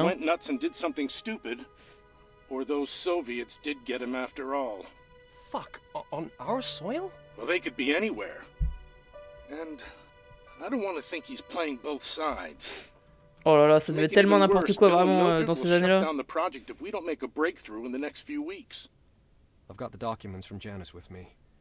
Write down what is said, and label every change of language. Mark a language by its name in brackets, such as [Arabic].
[English] went nuts and did something stupid, or those Soviets did get him after all. Fuck, on our soil? Well, they could be anywhere. And I don't want to think he's playing both sides. [French] Oh là là, ça devait être tellement n'importe quoi vraiment dans ces années-là. [English] Down the project if we don't make a breakthrough in the next few weeks. I've got the documents from Janice with me.